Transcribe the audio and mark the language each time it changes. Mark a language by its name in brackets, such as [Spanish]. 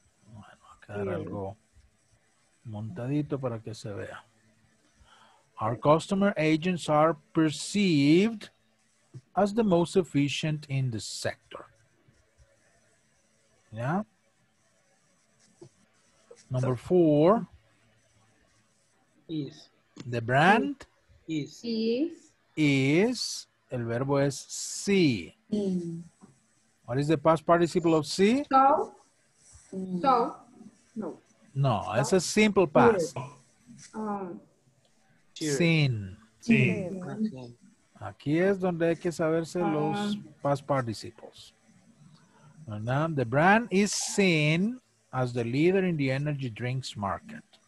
[Spanish] Bueno, va a quedar algo montadito para que se vea. [English] Our customer agents are perceived as the most efficient in the sector. [Spanish] Ya. [English] Number 4. Is. The brand is. [Spanish] El verbo es [English] see. What is the past participle of see? So. No. No, it's a simple past. Seen. Seen. [Spanish] Aquí es donde hay que saberse los past participles. [English] And now the brand is seen as the leader in the energy drinks market.